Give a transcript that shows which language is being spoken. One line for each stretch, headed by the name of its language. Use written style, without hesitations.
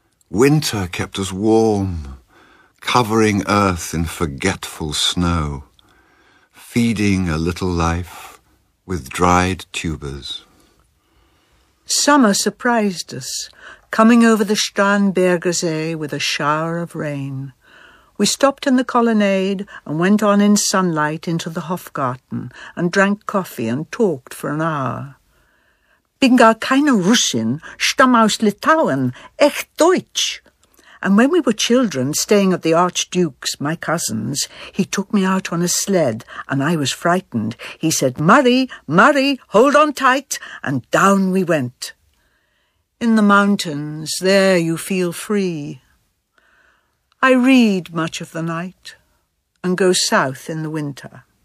English: Winter kept us warm, covering earth in forgetful snow, feeding a little life with dried tubers. Summer surprised us, coming over the Starnberger See with a shower of rain. We stopped in the colonnade and went on in sunlight into the Hofgarten and drank coffee and talked for an hour.
German: Bin gar keine Russin, stamm aus Litauen, echt Deutsch.
English: And when we were children, staying at the Archduke's, my cousin's, he took me out on a sled, and I was frightened. He said, Murray, hold on tight, and down we went. In the mountains, there you feel free. I read much of the night, and go south in the winter.